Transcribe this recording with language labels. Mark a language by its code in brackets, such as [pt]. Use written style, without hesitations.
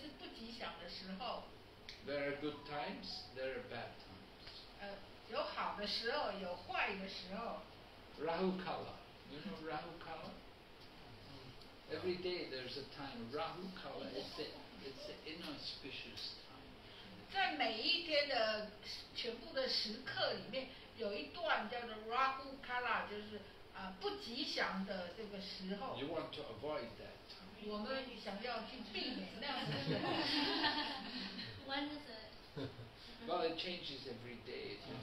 [zh] 所以我们必须知道，做事情有些时候是吉祥的时候，有些是不吉祥的时候。 [en] There are good times, there are bad times. [zh] 有好的时候，有坏的时候。Rahu Kala, [en] you know Rahu Kala? Every day there's a time. Rahu Kala is the inauspicious time. [zh] 在每一天的全部的时刻里面，有一段叫做 Rahu Kala， 就是不吉祥的这个时候。 [en] You want to avoid that time. [zh] 我们想要去避免那样的时候。 [en] Well, it changes every day.